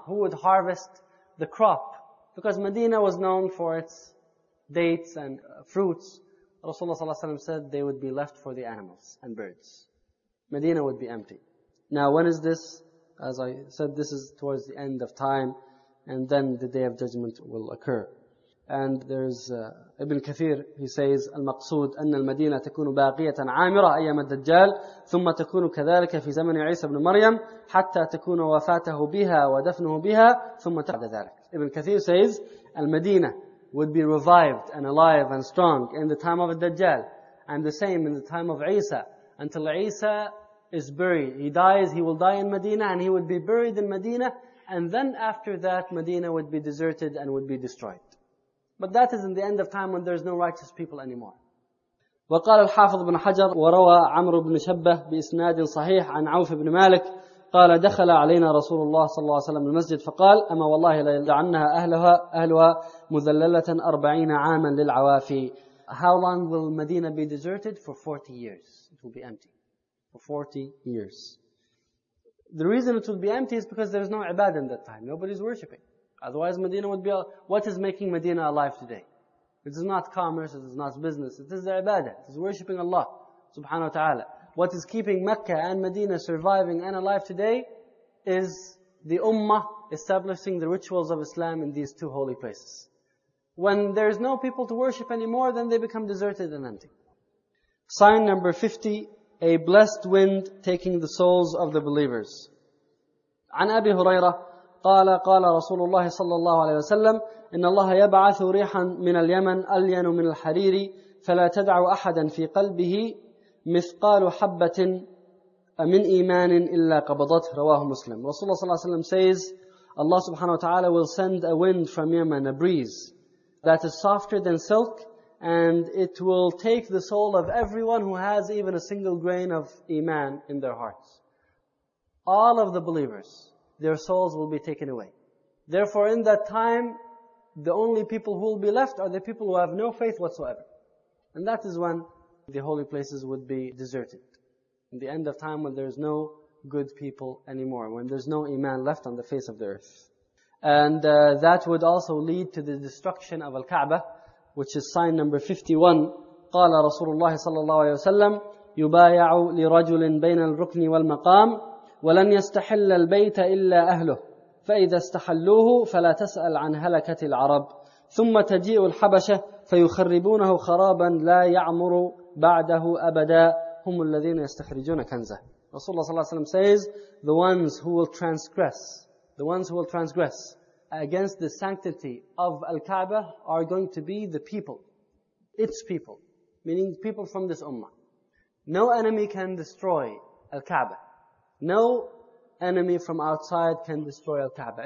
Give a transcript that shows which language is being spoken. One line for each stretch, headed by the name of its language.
English: Who would harvest the crop? Because Medina was known for its dates and fruits. Rasulullah ﷺ said they would be left for the animals and birds. Medina would be empty. Now when is this? As I said, this is towards the end of time, and then the Day of Judgment will occur. And there's Ibn Kathir, he says,
Arabic: المقصود أن المدينة تكون باقية عامرة أيام الدجال ثم تكون كذلك في زمن عيسى بن مريم حتى تكون وفاته بها ودفنه بها ثم تعد ذلك.
English: Ibn Kathir says, المدينة would be revived and alive and strong in the time of the Dajjal, and the same in the time of Isa, until Isa is buried. He dies, he will die in Medina, and he would be buried in Medina, and then after that, Medina would be deserted and would be destroyed. But that is in the end of time when there is no righteous people anymore.
Arabic: وقال الحافظ بن حجر وروى عمرو بن شبه بإسناد صحيح عن عوف بن مالك قال دخل علينا رسول الله صلى الله عليه وسلم المسجد فقال أما والله لا يدعنها أهلها مذللة 40 عاما للعوافي.
English: How long will Medina be deserted? For 40 years. It will be empty. For 40 years. The reason it will be empty is because there is no ibadah in that time. Nobody is worshipping. Otherwise, Medina would be... What is making Medina alive today? It is not commerce, it is not business. It is the ibadah. It is worshipping Allah subhanahu wa ta'ala. What is keeping Mecca and Medina surviving and alive today is the ummah establishing the rituals of Islam in these two holy places. When there is no people to worship anymore, then they become deserted and empty. Sign number 50, a blessed wind taking the souls of the believers.
Arabic: عن أبي هريرة قال قال رسول الله صلى الله عليه وسلم إن الله يبعث ريحا من اليمن ألين من الحرير فلا تدع أحدا في قلبه مثقال حبة من إيمان إلا قبضته رواه مسلم.
English: Rasulullah
Arabic: صلى الله عليه وسلم
English: says Allah subhanahu wa ta'ala will send a wind from Yemen, a breeze that is softer than silk, and it will take the soul of everyone who has even a single grain of Iman in their hearts. All of the believers, their souls will be taken away. Therefore in that time, the only people who will be left are the people who have no faith whatsoever. And that is when the holy places would be deserted. In the end of time, when there is no good people anymore, when there is no Iman left on the face of the earth. And that would also lead to the destruction of Al-Ka'bah, which is sign number 51.
Arabic: قال رسول الله صلى الله عليه وسلم يبايع لرجل بين الركن والمقام ولن يستحل البيت إلا أهله فإذا استحلوه فلا تسأل عن هلكة العرب ثم تجيء الحبشة فيخربونه خرابا لا يعمر بعده أبدا هم الذين يستخرجون كنزه.
English: Rasulullah
Arabic: صلى الله عليه وسلم
English: says the ones who will transgress against the sanctity of Al-Kaaba are going to be the people, its people, meaning people from this ummah. No enemy can destroy Al-Kaaba. No enemy from outside can destroy Al-Kaaba.